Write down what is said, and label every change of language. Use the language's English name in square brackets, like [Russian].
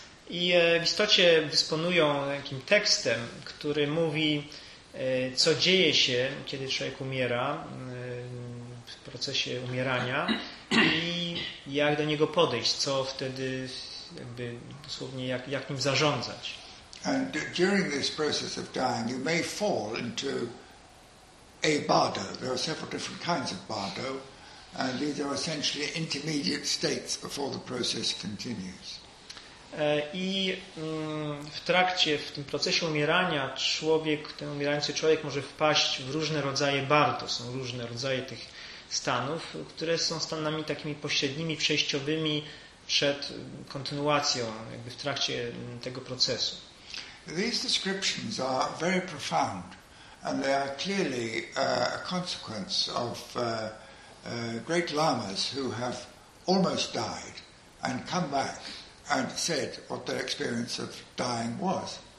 [Polish] I w istocie dysponują takim tekstem, który mówi, co dzieje się, kiedy człowiek umiera, w procesie umierania i jak do niego podejść, co wtedy jakby dosłownie jak nim zarządzać. [English] And during this process of dying you may fall into a bardo. There are several different kinds of bardo, and these are essentially intermediate states before the process continues. [Polish] I w trakcie, w tym procesie umierania człowiek, ten umierający człowiek może wpaść w różne rodzaje bardo. Są różne rodzaje tych stanów, które są stanami takimi pośrednimi, przejściowymi przed kontynuacją, jakby w trakcie tego procesu. [English] These descriptions are very profound. And they are clearly a consequence of great lamas who have almost died and come back and said what their experience of dying was.